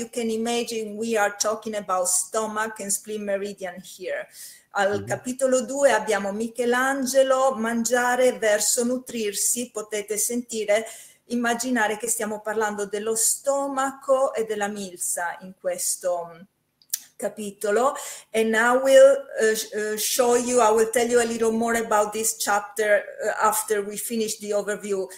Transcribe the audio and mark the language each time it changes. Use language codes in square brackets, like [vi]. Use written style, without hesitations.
[en] You can imagine we are talking about stomach and spleen meridian here. [it] Al capitolo due abbiamo Michelangelo, mangiare verso nutrirsi. Potete sentire, immaginare che stiamo parlando dello stomaco e della milza in questo capitolo. [en] And I will show you, I will tell you a little more about this chapter after we finish the overview.